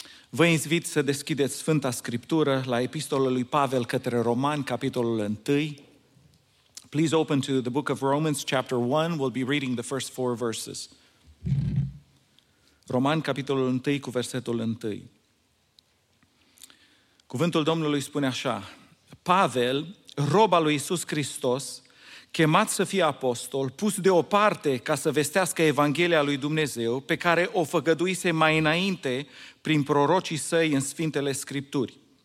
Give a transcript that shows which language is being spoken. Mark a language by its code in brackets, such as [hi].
[ro] Vă invit să deschideți Sfânta Scriptură la Epistola lui Pavel către Romani, capitolul 1. [en] Please open to the book of Romans, chapter 1. We'll be reading the first four verses. [ro] Romani, capitolul 1, cu versetul 1. Cuvântul Domnului spune așa. Pavel, rob al lui Iisus Hristos, chemat să fie apostol, pus deoparte ca să vestească Evanghelia lui Dumnezeu, pe care o făgăduise mai înainte prin prorocii săi în Sfintele Scripturi.